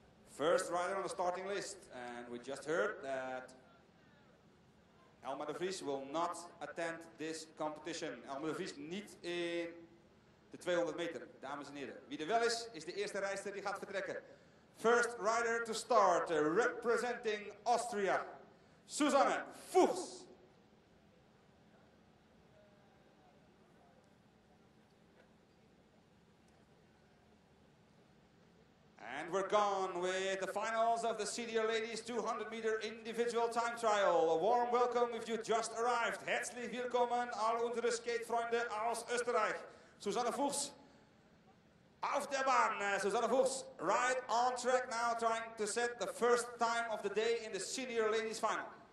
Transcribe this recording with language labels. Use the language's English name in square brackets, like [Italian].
[English] First rider on the starting list, and we just heard that Elma de Vries will not attend this competition. [Dutch] Elma de Vries niet in de 200 meter, dames en heren. Wie er wel is, is de eerste rijster die gaat vertrekken. [English] First rider to start, representing Austria, Susanne Fuchs. And we're gone with the finals of the Senior Ladies 200 meter individual time trial. A warm welcome if you just arrived. [German] Herzlich willkommen all unsere Skatefreunde aus Österreich. Susanne Fuchs, auf der Bahn. [English] Susanne Fuchs, right on track now, trying to set the first time of the day in the Senior Ladies final.